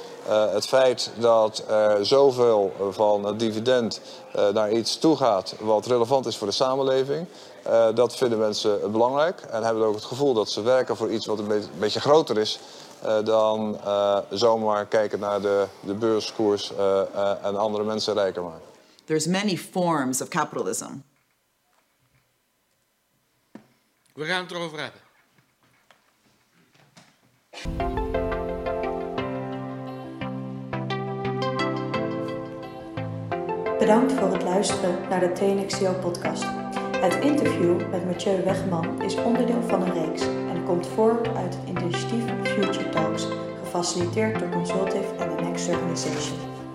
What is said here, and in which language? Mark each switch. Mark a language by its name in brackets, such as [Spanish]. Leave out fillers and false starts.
[Dutch] Het feit dat er zoveel van het dividend naar iets toe gaat wat relevant is voor de samenleving. Dat vinden mensen belangrijk en hebben ook het gevoel dat ze werken voor iets wat een beetje groter is dan zomaar kijken naar de beurskoers en andere mensen rijker maken. [English] There's many forms of capitalism. [Dutch] We gaan het erover hebben. Bedankt voor het luisteren naar de TNXCO podcast. Het interview met Mathieu Wegman is onderdeel van een reeks en komt voor uit het initiatief Future Talks, gefaciliteerd door Consultive and the Next Organization.